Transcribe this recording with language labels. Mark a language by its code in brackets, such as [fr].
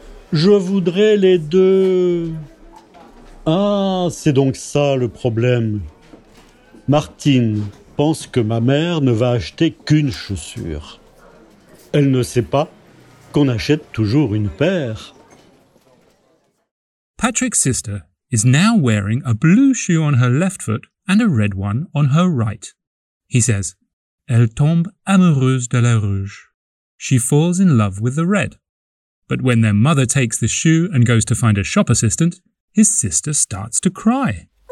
[fr] Je voudrais les deux. Ah, c'est donc ça le problème. Martine pense que ma mère ne va acheter qu'une chaussure. Elle ne sait pas qu'on achète toujours une paire. [en] Patrick's sister is now wearing a blue shoe on her left foot and a red one on her right. He says, [fr] elle tombe amoureuse de la rouge. [en] She falls in love with the red. But when their mother takes the shoe and goes to find a shop assistant, his sister starts to cry.